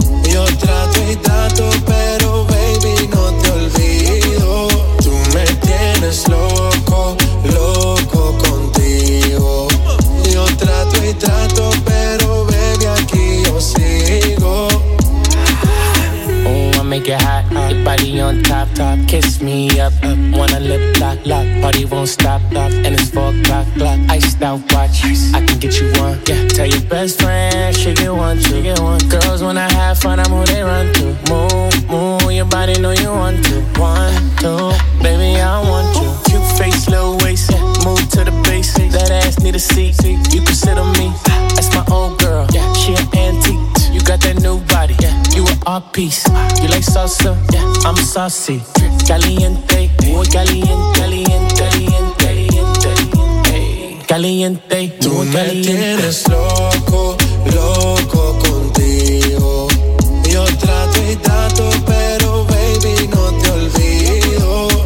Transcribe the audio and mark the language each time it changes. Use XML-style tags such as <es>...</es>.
<es>Yo trato y trato, pero baby, no te olvido. Tú me tienes loco, loco contigo. Yo trato y trato, pero baby, aquí yo sigo.</es> <en>Oh, I make it hot, your body on top, top. Kiss me up, up. Wanna lip lock, lock. Party won't stop, lock. And it's 4 o'clock, iced out watch. Ice. I can get you one, yeah. Tell your best friend, she get one, she get one. Girls, when I have fun, I'm who they run to. Move, move, your body know you want to. One, two, baby, I want you. Cute face, little waist, yeah. Move to the base. That ass need a seat, you can sit on me. That's my old girl, yeah. She an antique. You got that new body, yeah. You an art piece. You like salsa, yeah. I'm saucy.</en> <es>Caliente, muy caliente, caliente, caliente. Caliente, tú me tienes loco, loco contigo. Yo trato y trato, pero baby, no te olvido.</es>